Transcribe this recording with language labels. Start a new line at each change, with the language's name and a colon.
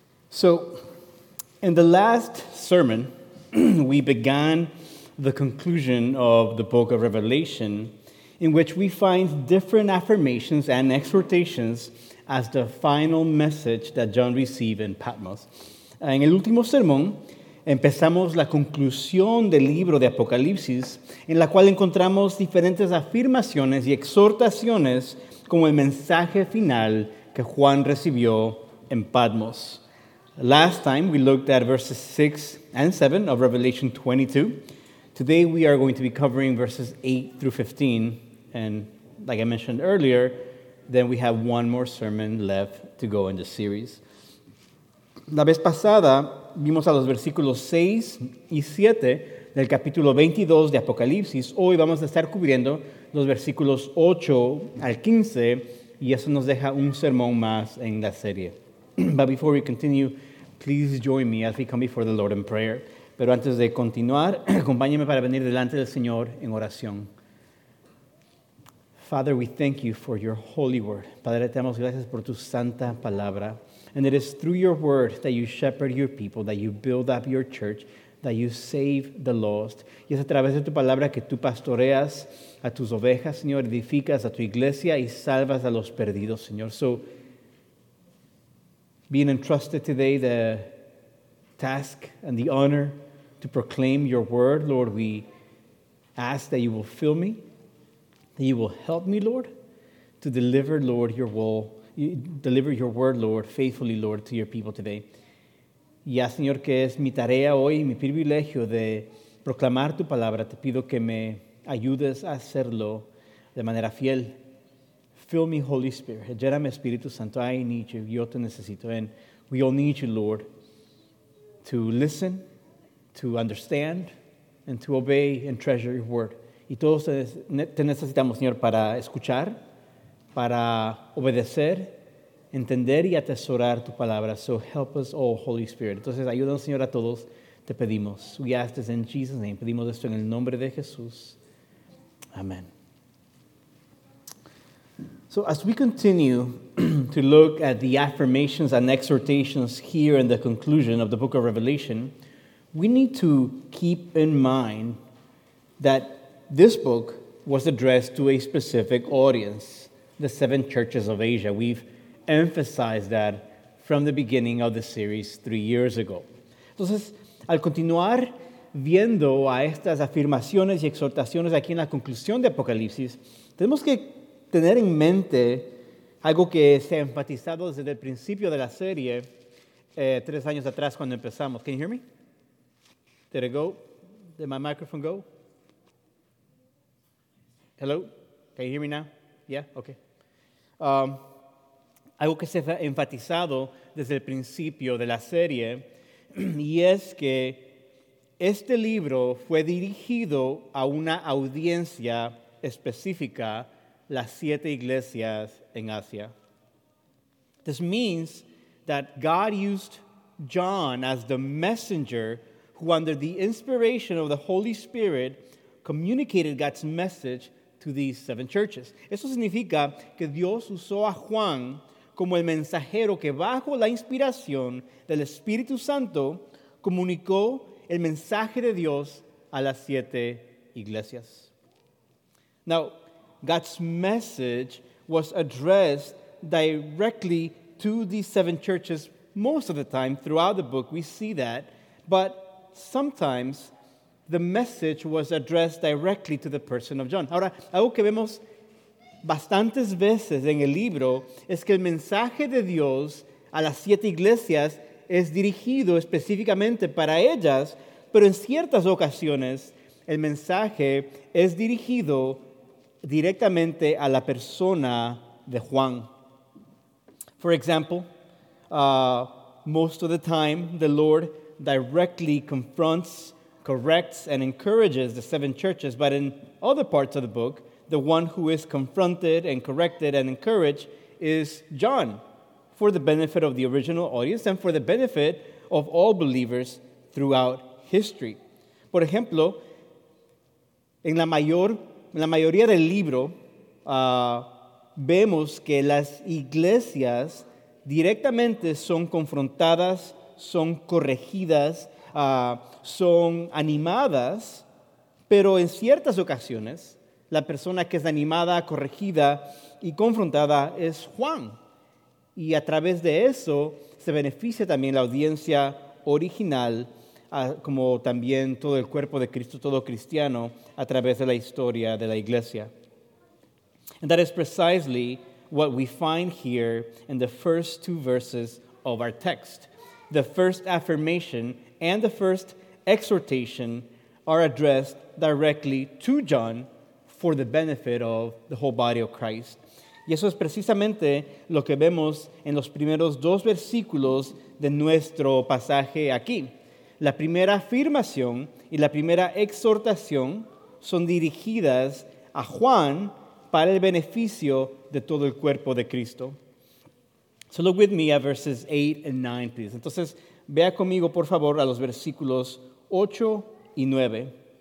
English: So, in the last sermon, we began the conclusion of the book of Revelation, in which we find different affirmations and exhortations as the final message that John received in Patmos.
Spanish: En el último sermón, empezamos la conclusión del libro de Apocalipsis, en la cual encontramos diferentes afirmaciones y exhortaciones como el mensaje final que Juan recibió en Patmos.
English: Last time, we looked at verses 6 and 7 of Revelation 22. Today, we are going to be covering verses 8 through 15. And like I mentioned earlier, then we have one more sermon left to go in the series.
Spanish: La vez pasada, vimos a los versículos 6 y 7 del capítulo 22 de Apocalipsis. Hoy vamos a estar cubriendo los versículos 8 al 15, y eso nos deja un sermón más en la serie.
English: But before we continue, please join me as we come before the Lord in prayer.
Spanish: Pero antes de continuar, acompáñeme para venir delante del Señor en oración.
English: Father, we thank you for your holy word.
Spanish: Padre, te damos gracias por tu santa palabra.
English: And it is through your word that you shepherd your people, that you build up your church, that you save the lost.
Spanish: Y es a través de tu palabra que tú pastoreas a tus ovejas, Señor, edificas a tu iglesia y salvas a los perdidos, Señor.
English: So, being entrusted today the task and the honor to proclaim your word, Lord, we ask that you will fill me, that you will help me, Lord, to deliver, Lord, your will, deliver your word, Lord, faithfully, Lord, to your people today.
Spanish: Ya, Señor, que es mi tarea hoy, mi privilegio de proclamar tu palabra, te pido que me ayudes a hacerlo de manera fiel.
English: Fill me, Holy Spirit.
Spanish: Llename, Espíritu Santo.
English: I need you.
Spanish: Yo te necesito.
English: And we all need you, Lord, to listen, to understand, and to obey and treasure your word.
Spanish: Y todos te necesitamos, Señor, para escuchar, para obedecer, entender y atesorar tu palabra.
English: So help us all, Holy Spirit.
Spanish: Entonces, ayúdanos, Señor, a todos. Te pedimos.
English: We ask this in Jesus' name.
Spanish: Pedimos esto en el nombre de Jesús. Amen.
English: So as we continue to look at the affirmations and exhortations here in the conclusion of the book of Revelation, we need to keep in mind that this book was addressed to a specific audience, the seven churches of Asia. We've emphasized that from the beginning of the series 3 years ago.
Spanish: Entonces, al continuar viendo a estas afirmaciones y exhortaciones aquí en la conclusión de Apocalipsis, tenemos que tener en mente algo que se ha enfatizado desde el principio de la serie, 3 años atrás cuando empezamos.
English: Can you hear me? Did it go? Did my microphone go? Hello? Can you hear me now? Yeah? Okay.
Spanish: Algo que se ha enfatizado desde el principio de la serie, y es que este libro fue dirigido a una audiencia específica, las siete iglesias en Asia.
English: This means that God used John as the messenger who, under the inspiration of the Holy Spirit, communicated God's message to these seven churches.
Spanish: Eso significa que Dios usó a Juan como el mensajero que, bajo la inspiración del Espíritu Santo, comunicó el mensaje de Dios a las siete iglesias.
English: Now, God's message was addressed directly to these seven churches most of the time throughout the book. We see that. But sometimes the message was addressed directly to the person of John.
Spanish: Ahora, algo que vemos bastantes veces en el libro es que el mensaje de Dios a las siete iglesias es dirigido específicamente para ellas, pero en ciertas ocasiones el mensaje es dirigido directamente a la persona de Juan.
English: For example, most of the time, the Lord directly confronts, corrects, and encourages the seven churches. But in other parts of the book, the one who is confronted and corrected and encouraged is John, for the benefit of the original audience and for the benefit of all believers throughout history.
Spanish: Por ejemplo, en la mayoría del libro, vemos que las iglesias directamente son confrontadas, son corregidas, son animadas, pero en ciertas ocasiones la persona que es animada, corregida y confrontada es Juan. Y a través de eso se beneficia también la audiencia original, como también todo el cuerpo de Cristo, todo cristiano, a través de la historia de la iglesia.
English: And that is precisely what we find here in the first two verses of our text. The first affirmation and the first exhortation are addressed directly to John for the benefit of the whole body of Christ.
Spanish: Y eso es precisamente lo que vemos en los primeros dos versículos de nuestro pasaje aquí. La primera afirmación y la primera exhortación son dirigidas a Juan para el beneficio de todo el cuerpo de Cristo.
English: So look with me at verses 8 and 9, please.
Spanish: Entonces, vea conmigo, por favor, a los versículos 8 y 9.